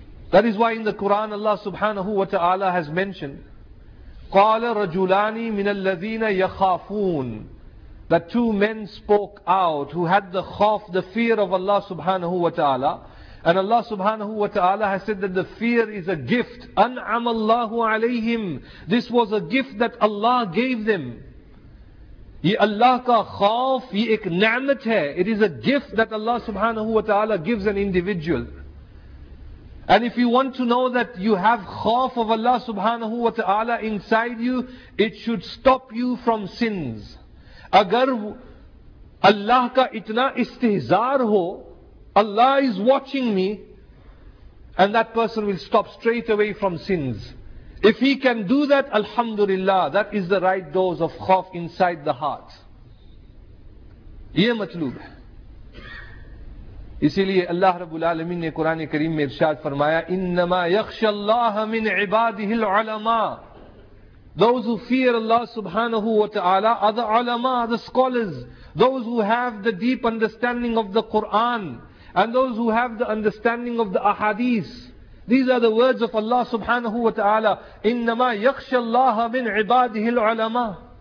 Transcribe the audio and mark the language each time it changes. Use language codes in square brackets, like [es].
[en] That is why in the Quran Allah subhanahu wa ta'ala has mentioned, [ar] قَالَ رَجُلَانِ مِنَ الَّذِينَ يَخَافُونَ. [en] That two men spoke out who had the khawf, the fear of Allah subhanahu wa ta'ala. And Allah subhanahu wa ta'ala has said that the fear is a gift. [ar] أَنْعَمَ اللَّهُ عَلَيْهِمْ. [en] This was a gift that Allah gave them. [ur] یہ اللہ کا خوف یہ ایک نعمت ہے. [en] It is a gift that Allah subhanahu wa ta'ala gives an individual. And if you want to know that you have khawf of Allah subhanahu wa ta'ala inside you, it should stop you from sins. [ur] Agar Allah ka itna istihzar ho, [en] Allah is watching me, and that person will stop straight away from sins. If he can do that, alhamdulillah, that is the right dose of khawf inside the heart. [ur] Yeh matloob hai. اسی لیے اللہ رب العالمین نے قرآن کریم میں ارشاد فرمایا [ar] انما یخش اللہ من عباده العلماء. [en] Those who fear Allah subhanahu wa ta'ala are the علماء, the scholars, those who have the deep understanding of the Quran and those who have the understanding of the ahadith. These are the words of Allah subhanahu wa ta'ala, [ar] انما یخش اللہ من عباده العلماء.